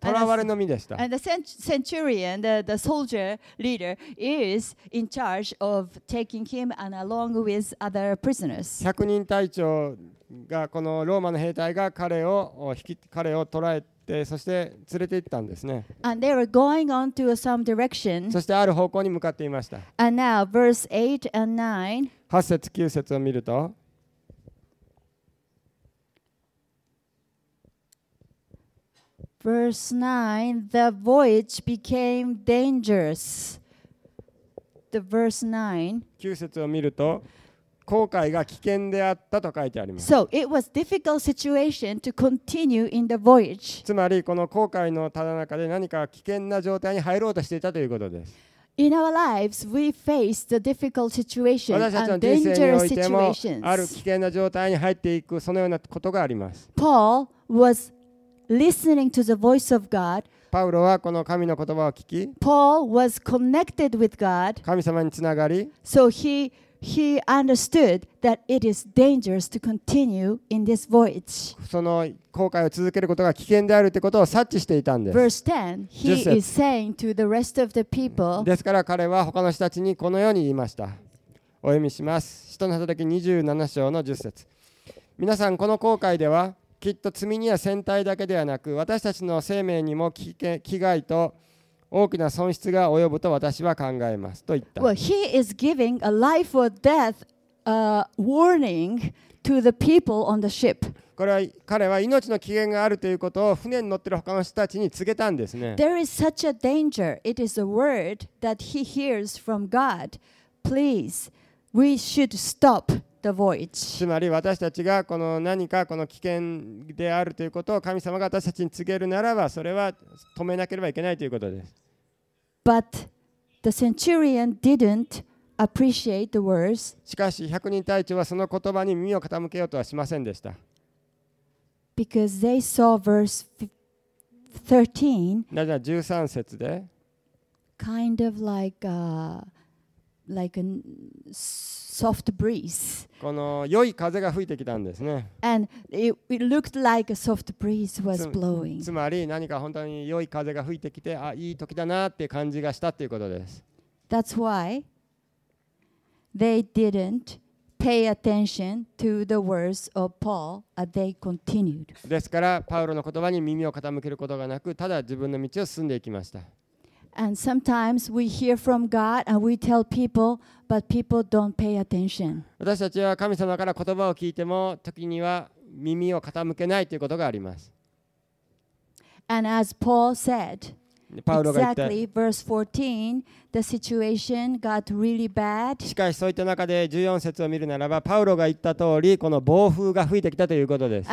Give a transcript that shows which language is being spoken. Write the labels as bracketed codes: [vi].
[ja] 囚われの身でした。 [en] And the centurion, the soldier leader, is in charge of taking him and along with other prisoners. [ja] 百人隊長がこのローマの兵隊が彼を捕らえて。そして連れて行ったんですね。 [en] And they were going on to some direction. [ja] そしてある方向に向かっていました。 [en] And now, verse 8 and 9. [ja] 8節9節を見ると。 [en] Verse 9, the voyage became dangerous. The verse 9. [ja] 9節を見ると。航海が危険であったと書いてあります。 [en] So it was difficult situation to continue in the voyage. [ja] つまりこの航海のただ中で何か危険な状態に入ろうとしていたということです。 [en] In our lives, we face the difficult situation and dangerous situations. [ja] 私たちの人生においてもある危険な状態に入っていくそのようなことがあります。 [en] Paul was listening to the voice of God. [ja] パウロはこの神の言葉を聞き、 [en] Paul was connected with God. [ja] 神様につながり、 [en] So he he understood that it is dangerous to continue in this voyage. [ja] その航海を続けることが危険であるということを察知していたんです。 [en] Verse 10, he is saying to the rest of the people. [ja] ですから彼は他の人たちにこのように言いました。お読みします。使徒の働き27章の10節。皆さんこの航海ではきっと積み荷や船体だけではなく私たちの生命にも危害と大きな損失が及ぶと私は考えますと言った。 [en] Well, he is giving a life or death warning to the people on the ship. [ja] これは彼は命の危険があるということを船に乗ってる他の人たちに告げたんですね。 [en] There is such a danger. It is a word that he hears from God. Please, we should stop. The voyage. [ja] つまり私たちがこの何かこの危険であるということを神様が私たちに告げるならばそれは止めなければいけないということです。 [en] But the centurion didn't appreciate the words. [ja] しかし百人隊長はその言葉に耳を傾けようとはしませんでした。 [en] Because they saw verse 13. [ja] なぜなら13節で [en] kind of like a soft breeze. [ja] この良い風が吹いてきたんですね。 [en] And it looked like a soft breeze was blowing. [ja] つまり何か本当に良い風が吹いてきて、あ、いい時だなって感じがしたっていうことです。 [en] That's why they didn't pay attention to the words of Paul as they continued. [ja] ですから、パウロの言葉に耳を傾けることがなく、ただ自分の道を進んでいきました。 [en] And sometimes we hear from God and we tell people, but people don't pay attention. [ja] 私たちは神様から言葉を聞いても、時には耳を傾けないということがあります。 [en] And as Paul said, [ja] パウロが言った [en] exactly verse 14, the situation got really bad. [ja] しかしそういった中で14節を見るならば、パウロが言った通り、この暴風が吹いてきたということです。